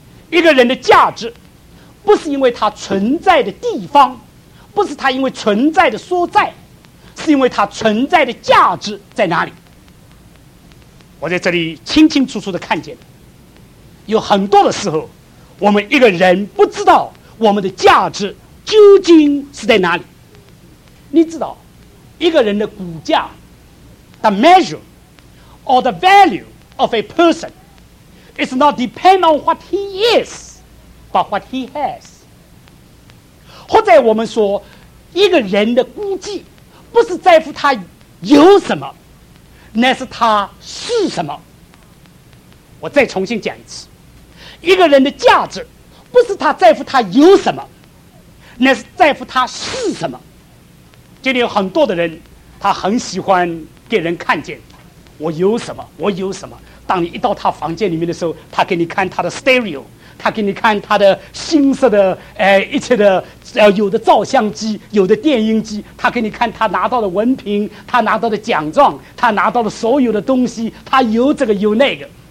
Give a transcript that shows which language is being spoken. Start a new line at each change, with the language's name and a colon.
Chinese: 一个人的价值不是因为他存在的地方，不是他因为存在的所在，是因为它存在的价值在哪里。我在这里清清楚楚地看见，有很多的时候我们一个人不知道我们的价值究竟是在哪里。你知道一个人的骨架
English: The measure or the value of a person is not depend on what he is but what he has，
Chinese: 或者我们说一个人的估计不是在乎他有什么，乃是他是什么。我再重新讲一次，一个人的价值不是他在乎他有什么，乃是在乎他是什么。这里有很多的人，他很喜欢给人看见我有什么，我有什么。当你一到他房间里面的时候，他给你看他的 stereo， 他给你看他的新式的一切的有的照相机，有的电影机，他给你看他拿到的文凭，他拿到的奖状，他拿到的所有的东西，他有这个有那个。